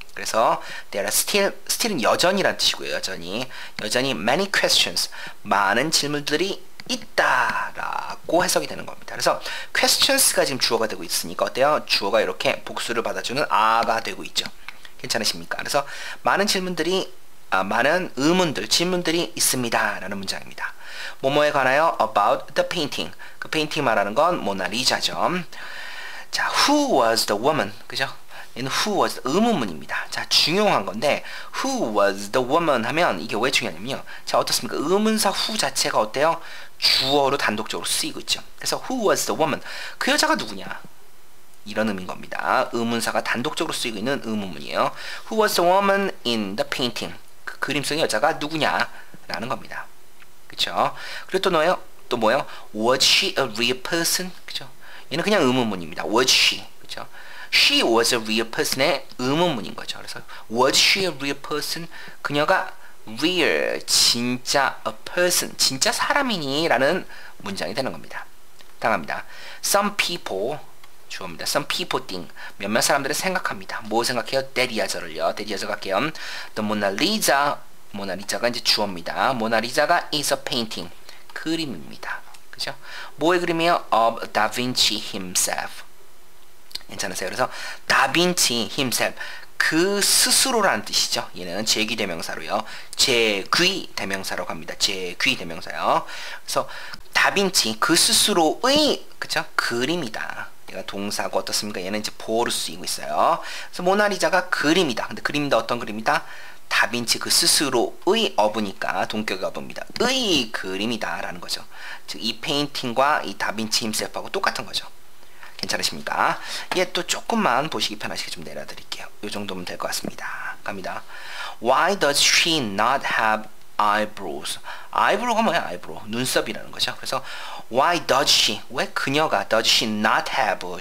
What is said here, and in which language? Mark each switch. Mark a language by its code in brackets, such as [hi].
[ko] 그래서 there are still은 여전히란 뜻이고요. 여전히 many questions, 많은 질문들이 있다라고 해석이 되는 겁니다. 그래서 questions가 지금 주어가 되고 있으니까 어때요? 주어가 이렇게 복수를 받아주는 are가 되고 있죠. 괜찮으십니까? 그래서 많은 질문들이 많은 의문들, 질문들이 있습니다라는 문장입니다. 뭐뭐에 관하여 [en] about the painting. [ko] 그 painting 말하는 건 모나리자죠. [en] 자, who was the woman? [ko] 그죠? 얘는 who was, 의문문입니다. 자, 중요한 건데 who was the woman 하면 이게 왜 중요하냐면요. 자, 어떻습니까? 의문사 who 자체가 어때요? 주어로 단독적으로 쓰이고 있죠. [en] 그래서 who was the woman? [ko] 그 여자가 누구냐? 이런 의미인 겁니다. 의문사가 단독적으로 쓰이고 있는 의문문이에요. [en] Who was the woman in the painting? [ko] 그 그림 속의 여자가 누구냐? 라는 겁니다. 그쵸? 그리고 또 뭐예요? 또 뭐예요? [en] Was she a real person? 그쵸? [ko] 얘는 그냥 의문문입니다. [en] Was she? 그쵸? She was a real person의 [ko] 의문문인 거죠. 그래서 [en] was she a real person? [ko] 그녀가 real, 진짜 a person, 진짜 사람이니? 라는 문장이 되는 겁니다. 당합니다. [en] Some people, [ko] 주어입니다. [en] Some people think, [ko] 몇몇 사람들은 생각합니다. 뭐 생각해요? [en] That the other를요. That the other 갈게요. The Mona Lisa, Mona Lisa가 [ko] 이제 주어입니다. [en] Mona Lisa가 is a painting, [ko] 그림입니다. 그죠? 뭐의 그림이에요? [en] Of Da Vinci himself. [ko] 괜찮으세요? 그래서 [en] 다빈치 himself, [ko] 그 스스로라는 뜻이죠. 얘는 제기 대명사로요. 제귀 대명사로 갑니다. 제귀 대명사요. 그래서 다빈치 그 스스로의 그쵸? 그림이다. 얘가 동사고 어떻습니까? 얘는 이제 보어로 쓰이고 있어요. 그래서 모나리자가 그림이다. 근데 그림도 어떤 그림이다? 다빈치 그 스스로의 어부니까 동격의 어부입니다. 의 그림이다 라는 거죠. 즉 이 페인팅과 이 다빈치 힘셉하고 똑같은 거죠. 괜찮으십니까? 예, 또 조금만 보시기 편하시게 좀 내려드릴게요. 요 정도면 될 것 같습니다. 갑니다. [en] Why does she not have eyebrows? [ko] 아이브로우가 뭐야? 아이브로우. 눈썹이라는 거죠. [en] 그래서 Why does she? [ko] 왜 그녀가 [en] does she not have?